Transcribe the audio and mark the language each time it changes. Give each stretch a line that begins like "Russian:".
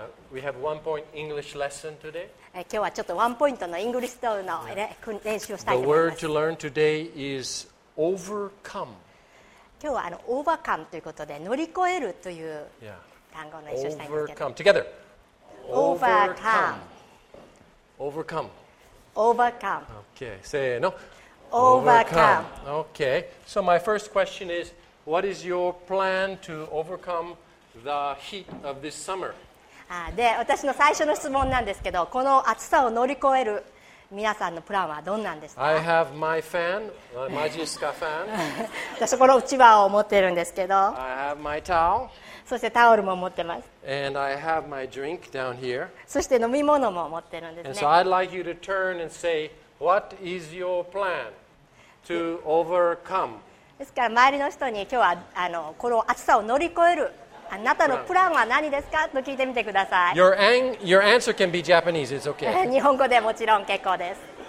English: We have one point English lesson today.
Japanese: 今日はちょっとワンポイントのイングリッシュの練習をしたいと思います。
English: The word to learn today is overcome.
Japanese: 今日はovercomeということで乗り越えるという単語の練習をしたいんですけど。
English: Overcome together. Overcome. Overcome. Overcome. Okay.
Japanese: せーの。
English: Overcome. Okay. So my first question is. What is your plan to overcome the heat of this summer?
Japanese: で、私の最初の質問なんですけど、この暑さを乗り越える皆さんのプランはどんなんですか?
English: I have my fan,
Japanese: マジスカファン。私このうちわを持ってるんですけど。
English: I have my towel.
Japanese: そしてタオルも持ってます。
English: And I have my drink down here.
Japanese: そして飲み物も持ってるんですね。
English: And so I'd like you to turn and say, what is your plan to overcome?
Japanese: ですから周りの人に今日はこの暑さを乗り越えるあなたのプランは何ですかと聞いてみてください。
English: Your answer can be Japanese. It's okay.
Japanese: 日本語でもちろん結構です。